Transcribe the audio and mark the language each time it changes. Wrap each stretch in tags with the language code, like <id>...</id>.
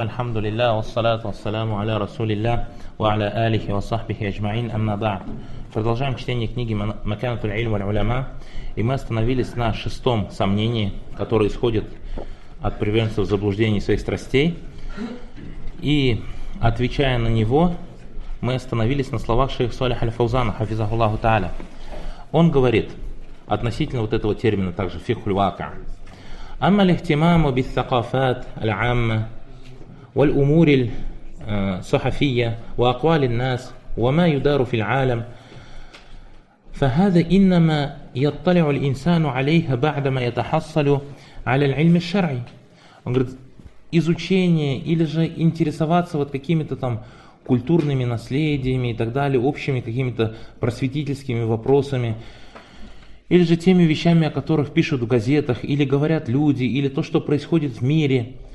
<ar>الحمد لله والصلاة والسلام على رسول الله وعلى آله وصحبه أجمعين. أما بعد،</ar> <ru>продолжаем чтение книги «Маканат аль-Ильм валь-Улама», и мы остановились на шестом сомнении, которое исходит от приверженцев заблуждений своих страстей. И отвечая на него, мы остановились на словах шейха Салих аль-Фаузана, хафизахуллаху та'аля. Он говорит относительно вот этого термина также «фихуль-вака».</ru> <ar>أما الاهتمام بالثقافات العامة والأمور الصحفية وأقوال الناس وما يدار في العالم فهذا إنما يطلع الإنسان عليها بعدما يتحصل على العلم الشرعي.</ar> <ru>Он говорит, изучение или же интересоваться вот какими-то там культурными наследиями и так далее, общими какими-то просветительскими вопросами, или же теми вещами, о которых пишут в газетах, или говорят люди, или то, что происходит в мире.</ru>